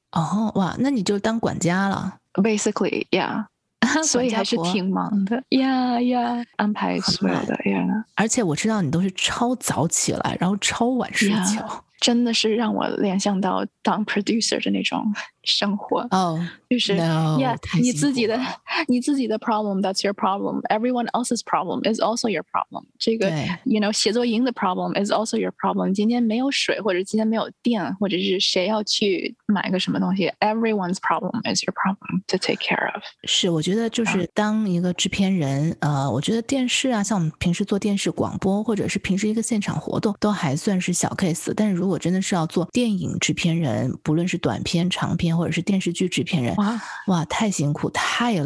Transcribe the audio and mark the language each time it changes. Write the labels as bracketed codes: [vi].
[zh] 哦，哇，那你就当管家了。 [en] Basically, yeah. [zh] 所以还是挺忙的。 [en] Yeah, yeah. [zh] 安排所有的。Yeah. 而且我知道你都是超早起来，然后超晚睡觉。 [en] Yeah. [zh] 真的是让我联想到当 producer 的那种生活。哦、 oh, 就是 [en] no, yeah, [zh] 你自己的 [en] problem, that's your problem. Everyone else's problem is also your problem. 这个 you know, [zh] 写作营的 [en] problem is also your problem. [zh] 今天没有水或者今天没有电或者是谁要去买个什么东西。 [en] Everyone's problem is your problem to take care of. [zh] 是我觉得就是当一个制片人、我觉得电视啊像我们平时做电视广播或者是平时一个现场活动都还算是小 case, 但是如果真的是要做电影制片人不论是短片长片或者是电视剧制片人 哇太辛苦太累了